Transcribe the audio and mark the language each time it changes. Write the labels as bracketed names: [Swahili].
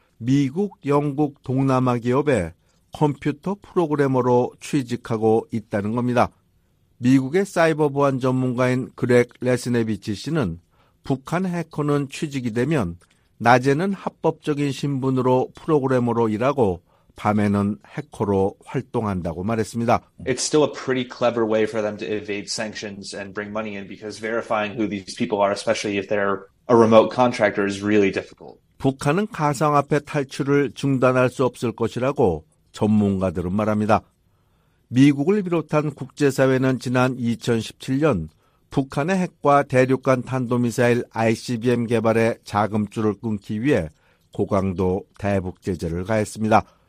[Korean] 미국, 영국, 동남아 기업에 컴퓨터 프로그래머로 취직하고 있다는 겁니다. 미국의 사이버 보안 전문가인 그렉 레스네비치 씨는 북한 해커는 취직이 되면 낮에는 합법적인 신분으로 프로그래머로 일하고 밤에는 해커로 활동한다고 말했습니다. [English] It's still a pretty clever way for them to evade sanctions and bring money in because verifying who these people are, especially if they're a remote contractor, is really difficult. [Korean] 북한은 가상화폐 탈출을 중단할 수 없을 것이라고 전문가들은 말합니다. 미국을 비롯한 국제사회는 지난 2017년 북한의 핵과 대륙간 탄도미사일 ICBM 개발에 자금줄을 끊기 위해 고강도 대북 제재를 가했습니다.